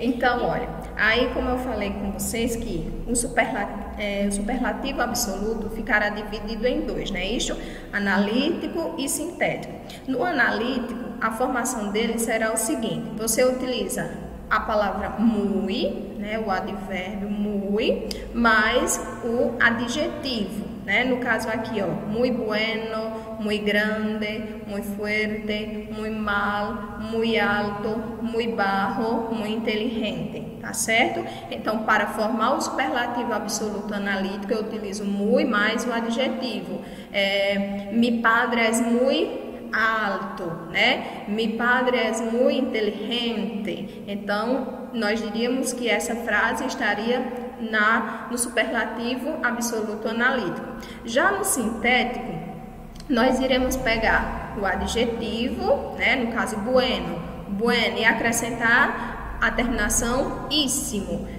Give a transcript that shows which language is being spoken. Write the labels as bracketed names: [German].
[Portuguese] Então, olha, aí como eu falei com vocês que o superlativo absoluto ficará dividido em dois, né? Isso, analítico e sintético. No analítico, a formação dele será o seguinte: você utiliza a palavra muy, né, o advérbio muy, mais o adjetivo, né? No caso aqui, ó, [Spanish] muy bueno, muy grande, muy fuerte, muy mal, muy alto, muy bajo, muy inteligente, tá certo? [Portuguese] Então, para formar o superlativo absoluto analítico, eu utilizo muy mais o adjetivo. [Spanish] Mi padre es muy alto, né? Mi padre es muy inteligente. [Portuguese] Então, nós diríamos que essa frase estaria no superlativo absoluto analítico. Já no sintético, nós iremos pegar o adjetivo, né? No caso, bueno, e acrescentar a terminação íssimo.